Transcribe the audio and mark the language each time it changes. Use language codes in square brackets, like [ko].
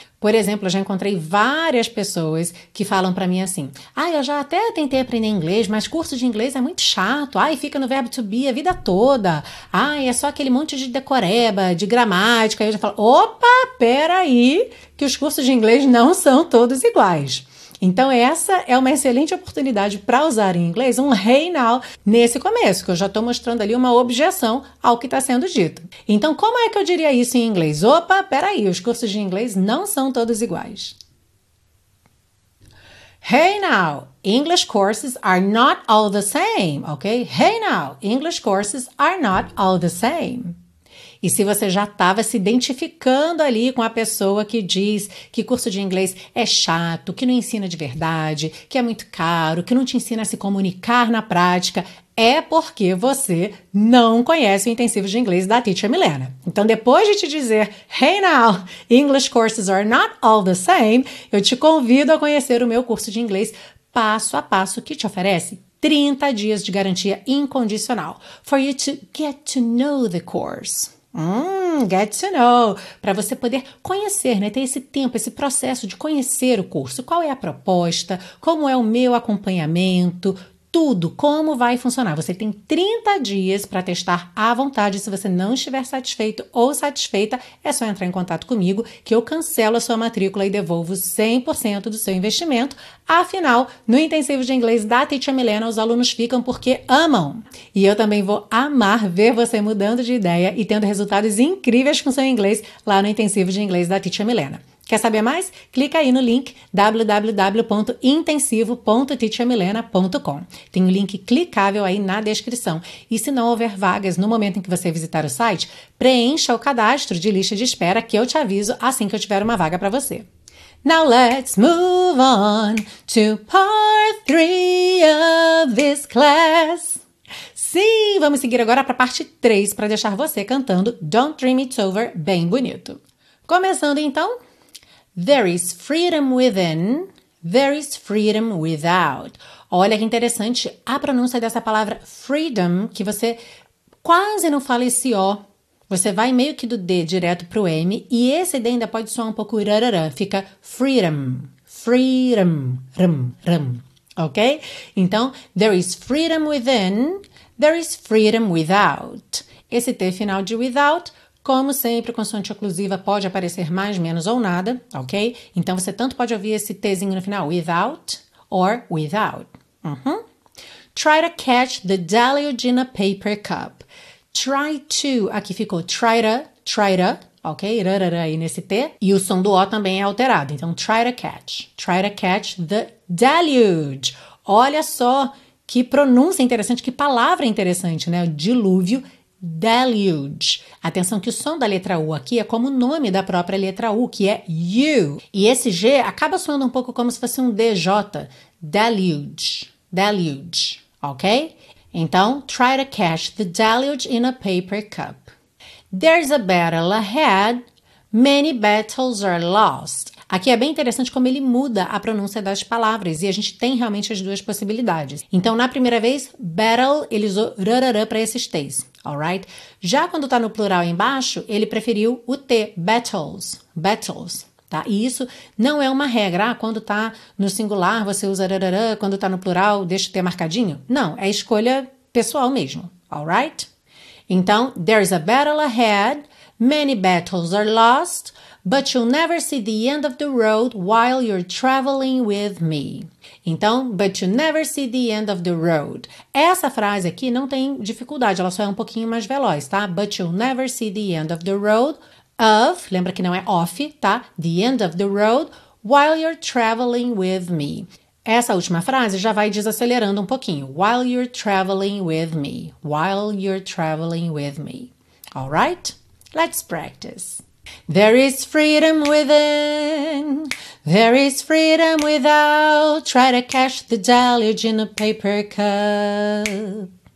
[pt] Por exemplo, eu já encontrei várias pessoas que falam para mim assim, ah, eu já até tentei aprender inglês, mas curso de inglês é muito chato, ah, e fica no verbo to be a vida toda, ah, e é só aquele monte de decoreba, de gramática, aí eu já falo, opa, peraí, que os cursos de inglês não são todos iguais. Então, essa é uma excelente oportunidade para usar em inglês um [en] hey now [pt] nesse começo, que eu já estou mostrando ali uma objeção ao que está sendo dito. Então, como é que eu diria isso em inglês? Opa, peraí, os cursos de inglês não são todos iguais. [en] Hey now, English courses are not all the same, ok? Hey now, English courses are not all the same. [pt] E se você já estava se identificando ali com a pessoa que diz que curso de inglês é chato, que não ensina de verdade, que é muito caro, que não te ensina a se comunicar na prática, é porque você não conhece o intensivo de inglês da Teacher Milena. Então, depois de te dizer, [en] hey now, English courses are not all the same, [pt] eu te convido a conhecer o meu curso de inglês passo a passo que te oferece 30 dias de garantia incondicional. [en] For you to get to know the course. Get to know, [pt] para você poder conhecer, né, ter esse tempo, esse processo de conhecer o curso, qual é a proposta, como é o meu acompanhamento, tudo, como vai funcionar. Você tem 30 dias para testar à vontade, se você não estiver satisfeito ou satisfeita, é só entrar em contato comigo, que eu cancelo a sua matrícula e devolvo 100% do seu investimento. Afinal, no intensivo de inglês da Teacher Milena, os alunos ficam porque amam. E eu também vou amar ver você mudando de ideia e tendo resultados incríveis com seu inglês lá no intensivo de inglês da Teacher Milena. Quer saber mais? Clica aí no link www.intensivo.teachermilena.com. Tem um link clicável aí na descrição. E se não houver vagas no momento em que você visitar o site, preencha o cadastro de lista de espera que eu te aviso assim que eu tiver uma vaga para você. [en] Now let's move on to part 3 of this class. [pt] Sim, vamos seguir agora para a parte 3 para deixar você cantando Don't Dream It's Over bem bonito. Começando então, [en] there is freedom within, there is freedom without. [pt] Olha que interessante a pronúncia dessa palavra freedom, que você quase não fala esse O. Você vai meio que do D direto pro M, e esse D ainda pode soar um pouco rarará, fica freedom, freedom, rum, rum, ok? Então, [en] there is freedom within, there is freedom without. [pt] Esse T final de without, como sempre, consoante oclusiva pode aparecer mais, menos ou nada, ok? Então, você tanto pode ouvir esse Tzinho no final, without, or without. Uhum. [en] Try to catch the deluge in a paper cup. Try to, [pt] aqui ficou [en] try to, ok? [pt] Rarara aí nesse T. E o som do O também é alterado. Então, [en] try to catch the deluge. [pt] Olha só que pronúncia interessante, que palavra interessante, né? Dilúvio, deluge. Atenção que o som da letra U aqui é como o nome da própria letra U, que é U. E esse G acaba soando um pouco como se fosse um DJ. [en] Deluge, deluge, ok? [pt] Então, [en] try to catch the deluge in a paper cup. There's a battle ahead, many battles are lost. [pt] Aqui é bem interessante como ele muda a pronúncia das palavras e a gente tem realmente as duas possibilidades. Então, na primeira vez, battle, ele usou rarará para esses T's, [en] alright? [pt] Já quando está no plural embaixo, ele preferiu o T, battles, battles. Tá? E isso não é uma regra, ah, quando tá no singular você usa rarará, quando tá no plural deixa o T marcadinho. Não, é escolha pessoal mesmo, [en] alright? [pt] Então, [en] there's a battle ahead, many battles are lost, but you'll never see the end of the road while you're traveling with me. [pt] Então, [en] but you'll never see the end of the road. [pt] Essa frase aqui não tem dificuldade, ela só é um pouquinho mais veloz, tá? [en] But you'll never see the end of the road. [pt] Of, lembra que não é off, tá? [en] The end of the road, while you're traveling with me. [pt] Essa última frase já vai desacelerando um pouquinho. [en] While you're traveling with me. While you're traveling with me. All right? Let's practice. There is freedom within. There is freedom without. Try to catch the deluge in a paper cup.